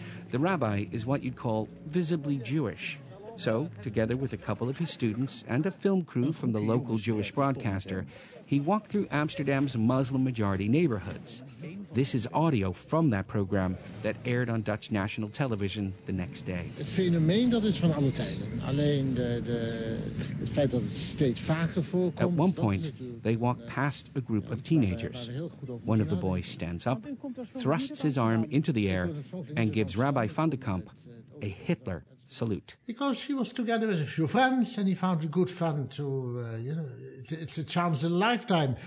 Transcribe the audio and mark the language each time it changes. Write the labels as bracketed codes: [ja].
[en] The rabbi is what you'd call visibly Jewish. So, together with a couple of his students and a film crew from the local Jewish broadcaster, he walked through Amsterdam's Muslim-majority neighborhoods. This is audio from that program that aired on Dutch national television the next day. [nl] Het fenomeen dat is van alle tijden. Alleen het feit dat het steeds vaker voorkomt. [en] At one point, they walk past a group of teenagers. One of the boys stands up, thrusts his arm into the air, and gives Rabbi van de Kamp a Hitler salute. Because he was together with a few friends and he found it good fun to, it's a chance in a lifetime.